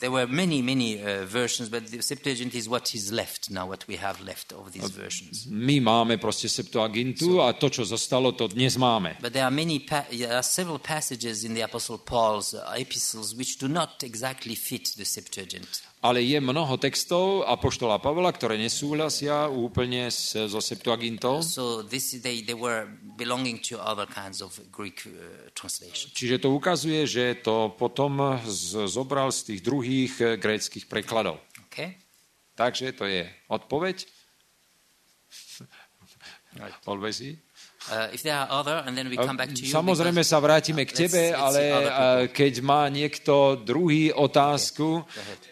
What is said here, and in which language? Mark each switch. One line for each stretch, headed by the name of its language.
English: There were many versions, but the Septuagint is what is left now, what we have left of these versions.
Slovak: My máme proste Septuagintu, a to, čo zostalo, to dnes máme.
English: But there are many several passages in the Apostle Paul's epistles which do not exactly fit the Septuagint.
Slovak: Ale je mnoho textov apoštola Pavla, ktoré nesúhlasia úplne so Septuagintou.
English: So this they were belonging to other kinds of Greek translations.
Slovak: Čiže to ukazuje, že to potom zobral z tých druhých gréckych prekladov.
English: Okay.
Slovak: Takže to je odpoveď.
English: Right. Always. If there are other, and then we come back to you.
Slovak: Samozrejme sa vrátime k tebe, ale keď má niekto druhý otázku, okay.